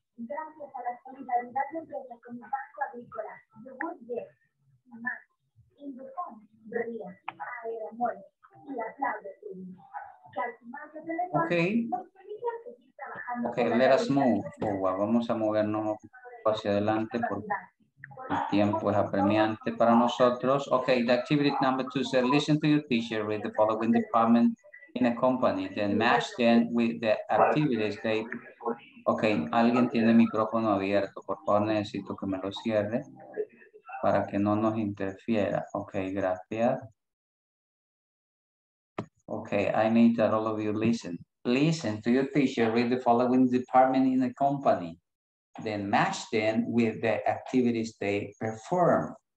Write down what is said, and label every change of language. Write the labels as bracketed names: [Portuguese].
[Spanish] Gracias a la solidaridad de empresas como Banco Agrícola, Yogur Yes, Mamá, Indufón, Ría, Aeramol y la Claudia Cunha. [English] Okay, let us move. [Spanish] Vamos a movernos hacia adelante porque el tiempo es apremiante para nosotros. [English] Okay, the activity number two said, listen to your teacher with the following department in a company, then match them with the activities they... [Spanish] Okay, alguien tiene micrófono abierto. Por favor, necesito que me lo cierre para que no nos interfiera. Okay, gracias. [English] Okay, I need that all of you listen. Listen to your teacher, read the following department in the company. Then match them with the activities they perform.